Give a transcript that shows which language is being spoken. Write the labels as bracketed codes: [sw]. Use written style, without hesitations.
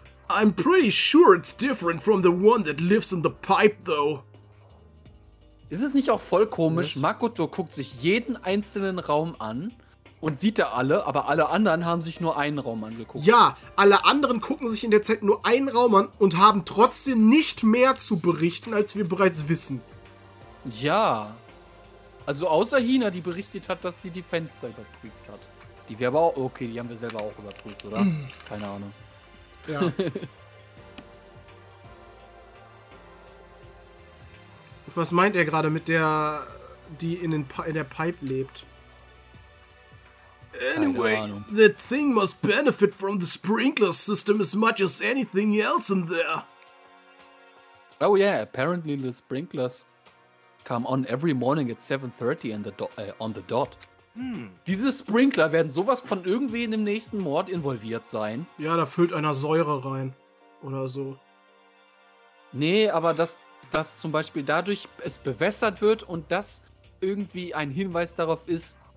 [en] I'm pretty sure it's different from the one that lives in the pipe, though. [de] Ist es nicht auch voll komisch? [en] Yes. [de] Makoto guckt sich jeden einzelnen Raum an und sieht da alle, aber alle anderen haben sich nur einen Raum angeguckt. Ja, alle anderen gucken sich in der Zeit nur einen Raum an und haben trotzdem nicht mehr zu berichten, als wir bereits wissen. Ja. Also außer Hina, die berichtet hat, dass sie die Fenster überprüft hat. Die wir aber auch... Okay, die haben wir selber auch überprüft, oder? Mm. Keine Ahnung. Ja. Was meint er gerade mit der, die in der Pipe lebt? [en] Anyway, that thing must benefit from the sprinkler system as much as anything else in there. Oh yeah, apparently the sprinklers come on every morning at 7:30 on the dot. [de] Diese Sprinkler werden sowas von irgendwie in dem nächsten Mord involviert sein. Ja, da füllt einer Säure rein. Oder so. Nee, aber dass zum Beispiel dadurch es bewässert wird und das irgendwie ein Hinweis darauf ist,